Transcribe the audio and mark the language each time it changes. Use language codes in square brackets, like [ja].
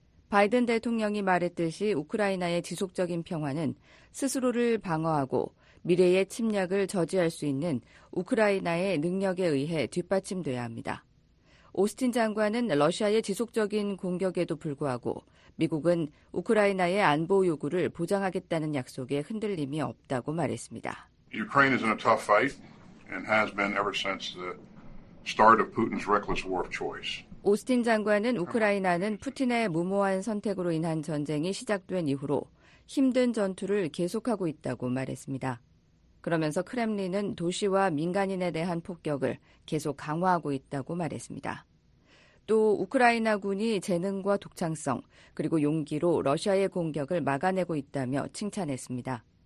[ko] 바이든 대통령이 말했듯이 우크라이나의 지속적인 평화는 스스로를 방어하고 미래의 침략을 저지할 수 있는 우크라이나의 능력에 의해 뒷받침돼야 합니다. 오스틴 장관은 러시아의 지속적인 공격에도 불구하고 미국은 우크라이나의 안보 요구를 보장하겠다는 약속에 흔들림이 없다고 말했습니다. [en] Ukraine is in a tough fight and has been ever since the start of Putin's reckless war of choice. [ko] 오스틴 장관은 우크라이나는 푸틴의 무모한 선택으로 인한 전쟁이 시작된 이후로 힘든 전투를 계속하고 있다고 말했습니다. 그러면서 크렘린은 도시와 민간인에 대한 폭격을 계속 강화하고 있다고 말했습니다. 또 우크라이나군이 재능과 독창성 그리고 용기로 러시아의 공격을 막아내고 있다며 칭찬했습니다.